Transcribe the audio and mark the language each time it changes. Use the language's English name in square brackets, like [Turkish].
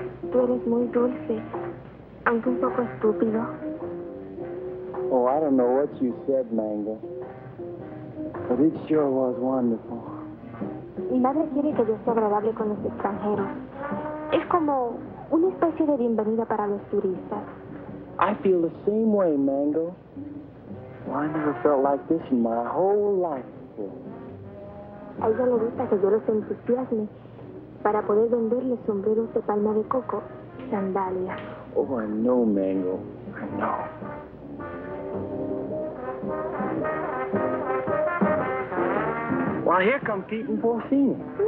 [Spanish] Tú eres muy dulce, aunque un poco estúpido. [English] Oh, I don't know what you said, Mango. But it sure was wonderful. [Spanish] Mi madre quiere que yo sea agradable con los extranjeros. Es como una especie de bienvenida para los turistas. [English] I feel the same way, Mango. Well, I never felt like this in my whole life. for? [Spanish] A ella le gusta que yo los entusiasme para poder venderle sombreros de palma de coco y sandalias. [English] Oh, I know, Mango. I know. Well, here come Keaton for a scene.